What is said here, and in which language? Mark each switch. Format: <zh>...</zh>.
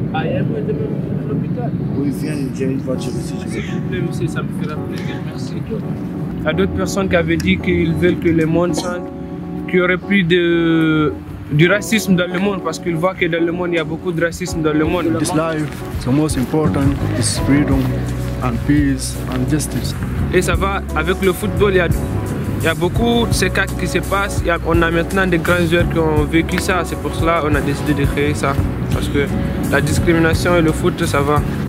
<fr>Ah, il y a moyen de m'amener à l'hôpital? Oui, viens, j'ai une voiture aussi. S'il vous plaît, monsieur, ça me fera plaisir, merci. Il y a d'autres personnes qui avaient dit qu'ils veulent que le monde change, qu'il n'y aurait plus de... du racisme dans le monde, parce qu'il voit que dans le monde, il y a beaucoup de racisme dans le monde.</fr> <en>This life, the most important is freedom and peace and justice.</en> <fr>Et ça va, avec le football, il y a beaucoup de ces cas qui se passent. On a maintenant des grands joueurs qui ont vécu ça, c'est pour cela qu'on a décidé de créer ça. Parce que la discrimination et le foot, ça va.</fr>